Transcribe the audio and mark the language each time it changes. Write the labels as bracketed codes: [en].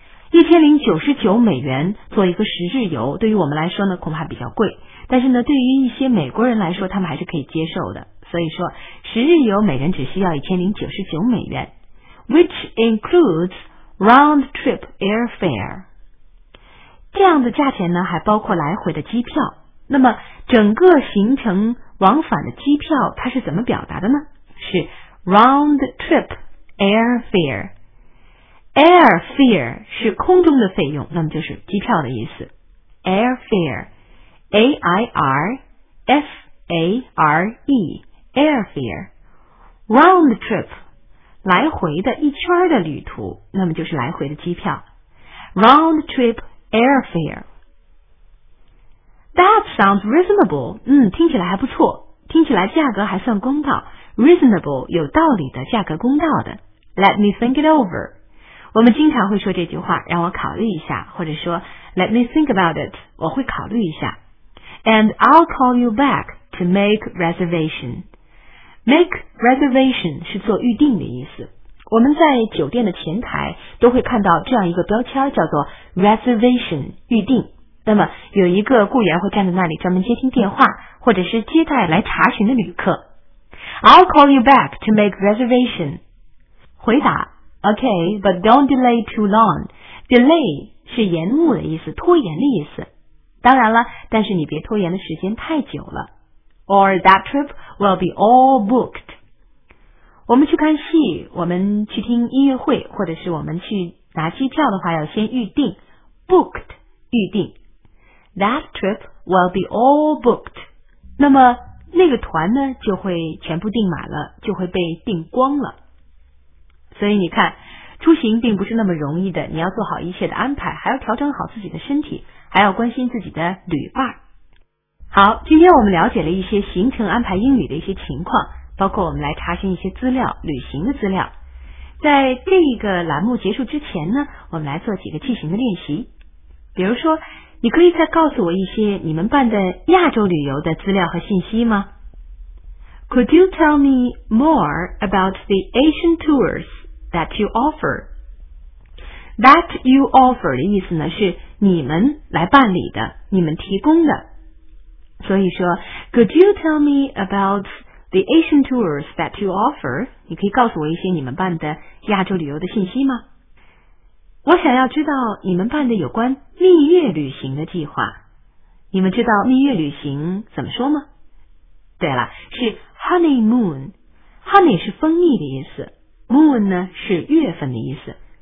[zh] 1099美元做一个十日游对于我们来说呢恐怕比较贵，但是呢对于一些美国人来说他们还是可以接受的，所以说十日游每人只需要1099美元。 [en] Which includes round-trip airfare. [zh] 这样的价钱呢还包括来回的机票。那么整个行程往返的机票它是怎么表达的呢？是 [en] round trip airfare。 [zh] airfare 是空中的费用，那么就是机票的意思。 airfare A-I-R-F-A-R-E airfare round trip 来回的一圈的旅途，那么就是来回的机票。 [en] round trip airfare。 That sounds reasonable. [zh] 听起来还不错，听起来价格还算公道。 Reasonable 有道理的，价格公道的。 [en] Let me think it over. [zh] 我们经常会说这句话，让我考虑一下，或者说 [en] Let me think about it, [zh] 我会考虑一下。 [en] And I'll call you back to make reservation. Make reservation [zh] 是做预定的意思。我们在酒店的前台都会看到这样一个标签，叫做 reservation 预定。那么有一个雇员会站在那里专门接听电话，或者是接待来查询的旅客。 [en] I'll call you back to make reservation. [zh] 回答 [en] Okay, but don't delay too long. [zh] Delay 是延误的意思，拖延的意思。当然了，但是你别拖延的时间太久了。 [en] Or that trip will be all booked. [zh] 我们去看戏，我们去听音乐会，或者是我们去拿机票的话，要先预定。 Booked, 预定。 [en] That trip will be all booked. [zh] 那么那个团呢，就会全部订满了，就会被订光了。所以你看，出行并不是那么容易的，你要做好一切的安排，还要调整好自己的身体，还要关心自己的旅伴。好，今天我们了解了一些行程安排英语的一些情况，包括我们来查询一些资料，旅行的资料。在这个栏目结束之前呢，我们来做几个句型的练习。比如说，你可以再告诉我一些你们办的亚洲旅游的资料和信息吗？ [en] Could you tell me more about the Asian tours that you offer? That you offer [zh] 的意思呢，是你们来办理的，你们提供的。所以说 [en] Could you tell me about the Asian tours that you offer? [zh] 你可以告诉我一些你们办的亚洲旅游的信息吗？我想要知道你们办的有关蜜月旅行的计划。你们知道蜜月旅行怎么说吗？对了，是 honeymoon。 honey 是蜂蜜的意思， moon 呢是月份的意思。